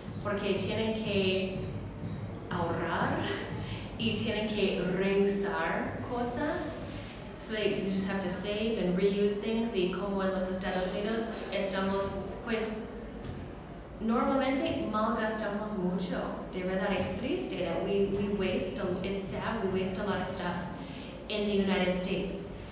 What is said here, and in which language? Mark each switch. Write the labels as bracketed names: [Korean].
[Spanish] Porque tienen que ahorrar y tienen que reusar cosas. [English] So they just have to save and reuse things. [Spanish] Y como en los Estados Unidos, estamos, pues, normalmente malgastamos mucho. De verdad, es triste [English] that we waste, it's sad, we waste a lot of stuff in the United States.